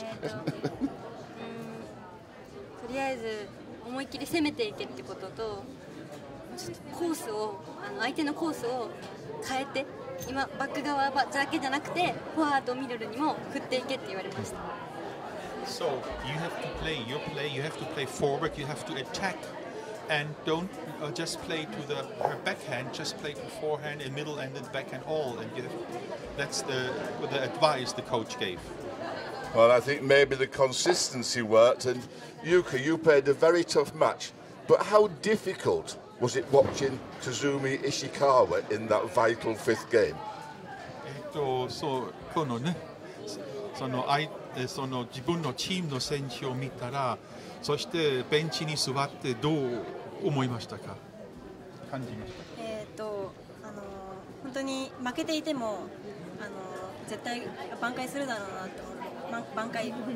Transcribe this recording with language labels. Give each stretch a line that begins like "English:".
Japanese: とりあえず思い切り攻めていけってことと、ちょっとコースを相手のコースを変えて。今バック側だけじゃなくてフォアとミドルにも振っていけって言われました。
English: So you have to play your play, you have to play forward, you have to attack and don't just play to the backhand, just play to forehand and middle and then backhand all, and that's the advice the coach gave. Well, I think maybe the consistency worked. And Yuki, you played a very tough match, but how difficultwas it watching Kasumi Ishikawa in that vital fifth game?
Japanese: そう、このね、その相、その自分のチームの選手を見たら、そしてベンチに座ってどう思いましたか？感じました。本当に負けていても、絶対挽回するだろうなと、挽回。